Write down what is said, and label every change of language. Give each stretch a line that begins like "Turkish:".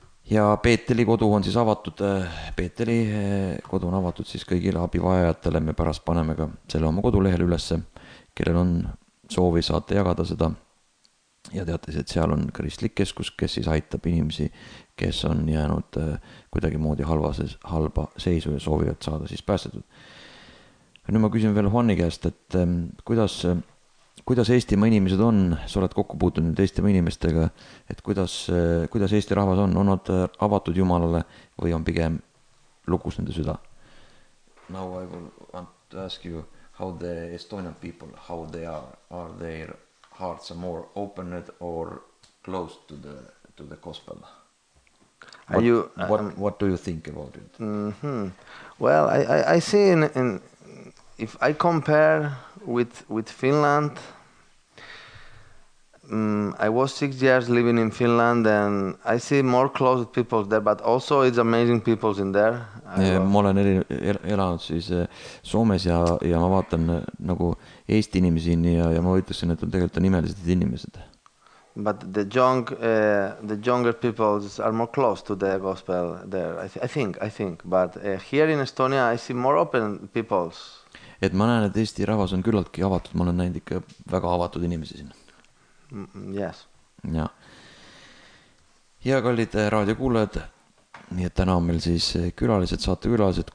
Estonian: Ja Peeteri kodu on siis avatud, Peeteri kodu on avatud siis kõigile abivajajatele, me pärast paneme ka selle oma kodulehel ülesse, kellel on soovi saate jagada seda ja teates, et seal on kristlik keskus, kes siis aitab inimesi, kes on jäänud kuidagi moodi halba seisu ja soovivad saada siis päästetud. Nüüd ma küsin veel Juani käest, et kuidas Eestima inimesed on, sa oled kokku puutunud Eestima inimestega, et kuidas Eesti rahvas on nad avatud Jumalale või on pigem lukus nende süda?
English: Now I will want to ask you how the Estonian people, how they are their hearts are more opened or closed to the gospel? What do you think about it? Mm-hmm. Well, I see in if I compare with Finland, I was 6 years living in Finland and I see more closed people there, but also it's amazing people in there.
Estonian: Ma olen elanud siis Soomes ja ma vaatan nagu Eesti inimesi ja ma võitlesin, et on tegelikult on imelised inimesed.
English: But the younger people are more close to the gospel there. I think. But here in Estonia I see more open people.
Estonian: Et ma näen, et Eesti rahvas on küllaltki avatud. Ma olen näinud ikka väga avatud inimesi siin.
English: Yes.
Estonian: Ja. Hea kallid raadiokuulajad. Nii et täna on meil siis külalised, saate külalised.